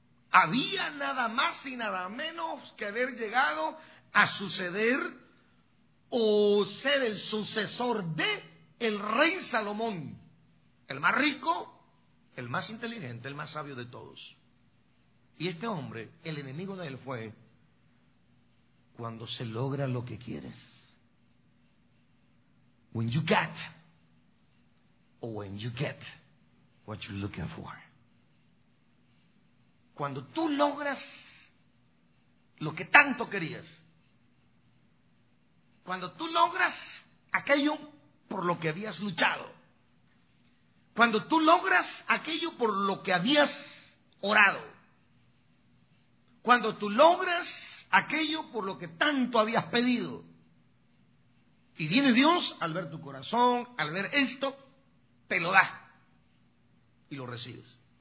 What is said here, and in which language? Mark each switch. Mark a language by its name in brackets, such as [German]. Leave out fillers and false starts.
[Spanish] Había nada más y nada menos que haber llegado a suceder o ser el sucesor de el rey Salomón, el más rico, el más inteligente, el más sabio de todos. Y este hombre, el enemigo de él fue: cuando se logra lo que quieres. [English] When you get, or when you get what you're looking for. [Spanish] Cuando tú logras lo que tanto querías, cuando tú logras aquello por lo que habías luchado, cuando tú logras aquello por lo que habías orado, cuando tú logras aquello por lo que tanto habías pedido, y viene Dios al ver tu corazón, al ver esto, te lo da y lo recibes.